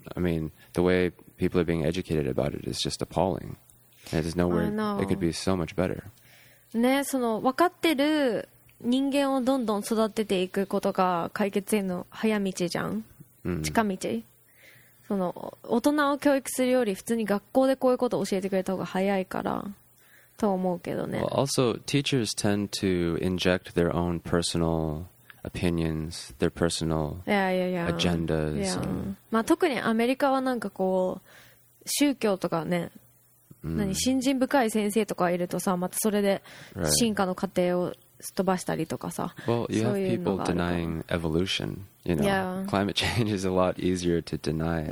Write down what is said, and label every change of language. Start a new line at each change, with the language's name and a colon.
English: I mean, the way people are being educated about it is just appalling. There's nowhere. It could be so much better.
Japanese: ね、その分かってる人間をどんどん育てていくことが解決への早道じゃん。 Mm-hmm. 近道。その大人を教育するより普通に学校でこういうことを教えてくれた方が早いからと思うけどね。
English: Well, also, teachers tend to inject their own personal opinions, their personal agendas. Yeah.
Japanese: まあ特にアメリカはなんかこう宗教とかね。何信心深い先生とかいるとさ、またそれで進化の過程を飛ばしたりとかさ。
English: Well, you have people denying evolution. You know,、 yeah. climate change is a lot easier to deny.